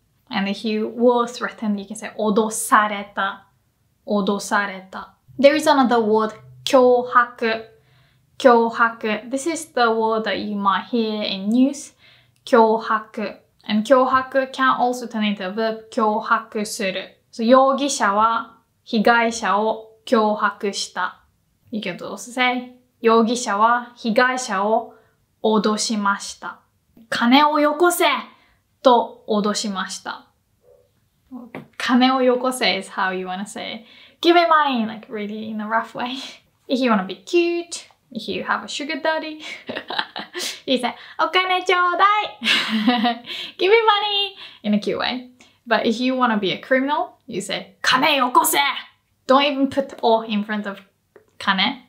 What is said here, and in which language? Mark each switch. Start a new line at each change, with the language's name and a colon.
English: And if you were threatened, you can say odosareta. Odosareta. There is another word, kyohaku. Kyohaku. This is the word that you might hear in news. Kyohaku. And kyohaku can also turn into a verb, kyohaku suru. So,
Japanese: 容疑者は被害者を脅迫した.
English: You can also say,
Japanese: 容疑者は被害者を脅しました. 金をよこせと脅しました. 金をよこせ
English: is how you want to say, give me money, like really in a rough way. If you want to be cute, if you have a sugar daddy, you say,
Japanese: お金ちょうだい!
English: Give me money! In a cute way. But if you want to be a criminal, you say,
Japanese: 金よこせ!
English: Don't even put O in front of 金.